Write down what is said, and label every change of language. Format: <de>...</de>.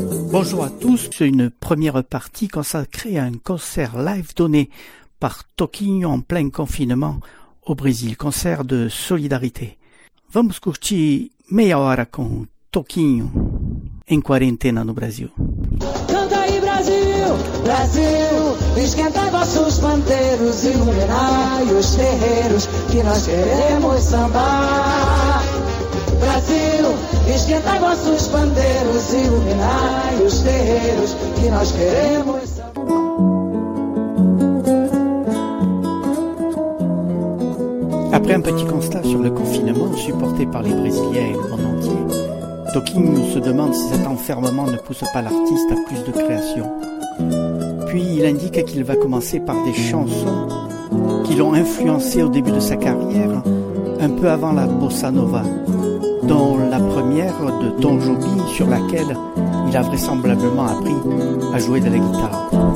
<fr>Bonjour à tous, c'est une première partie consacrée à un concert live donné par Toquinho en plein confinement au Brésil, concert de solidarité.</fr> <pt>Vamos curtir meia hora com Toquinho em quarentena no Brasil. Canta aí Brasil, Brasil, esquenta vossos panteiros, iluminai os terreiros que nós queremos sambar. Brasil, esquenta vossos pandeiros, iluminai os terreiros que nós queremos.</pt> <fr>Après un petit constat sur le confinement supporté par les Brésiliens en entier, Toquinho se demande si cet enfermement ne pousse pas l'artiste à plus de création. Puis il indique qu'il va commencer par des chansons qui l'ont influencé au début de sa carrière, un peu avant la bossa nova, dont la première de Tom Jobim, sur laquelle il a vraisemblablement appris à jouer de la guitare.</fr>